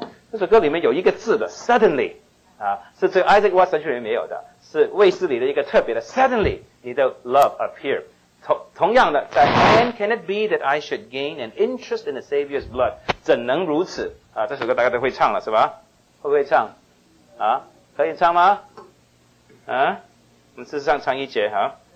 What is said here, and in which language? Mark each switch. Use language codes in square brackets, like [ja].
[en] This song [zh] 里面有一个字的 suddenly 啊，是这个 Isaac Watts 神学里面没有的。是卫斯理的一个特别的 suddenly 你的 [en] love appear。 [zh] 同样的在 [en] When can it be that I should gain an interest in the Savior's blood， [zh] 怎能如此啊？这首歌大家都会唱了是吧，会不会唱啊？可以唱吗啊？我们试试上唱一节啊。